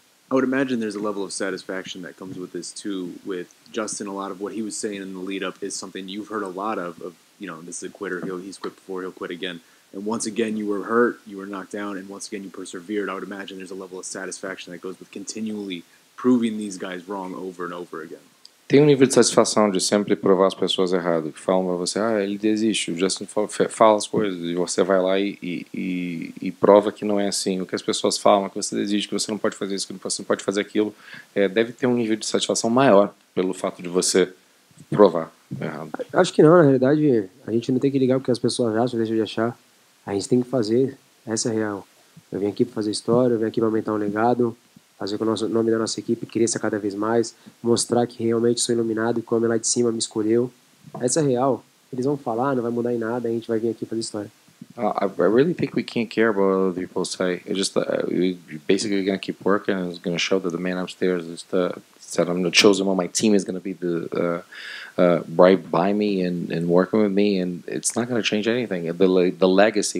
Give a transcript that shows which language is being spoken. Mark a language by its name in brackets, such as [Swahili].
[English] I would imagine there's a level of satisfaction that comes with this too. With Justin, a lot of what he was saying in the lead up is something you've heard a lot of. You know, this is a quitter. He's quit before. He'll quit again. And once again, you were hurt, you were knocked down, and once again, you persevered. I would imagine there's a level of satisfaction that goes with continually proving these guys wrong over and over again. [Portuguese] Tem nível de satisfação de sempre provar as pessoas errado, que falam pra você, ah, ele desiste, o Justin fala as coisas, e você vai lá e prova que não é assim. O que as pessoas falam, que você desiste, que você não pode fazer isso, que você não pode fazer aquilo, deve ter um nível de satisfação maior pelo fato de você provar errado. Acho que não, na realidade, a gente não tem que ligar porque as pessoas acham, deixam de achar. A gente tem que fazer, essa é a real. Eu vim aqui para fazer história, eu vim aqui para aumentar um legado, fazer com que o nome da nossa equipe cresça cada vez mais, mostrar que realmente sou iluminado e que o homem lá de cima me escolheu. Essa é a real. Eles vão falar, não vai mudar em nada, a gente vai vir aqui fazer história. [English] I really think we can't care about what other people say. It's just we're basically going to keep working and it's going to show that the man upstairs is the said I'm the chosen one. My team is going to be the right by me and working with me, and it's not going to change anything. The legacy.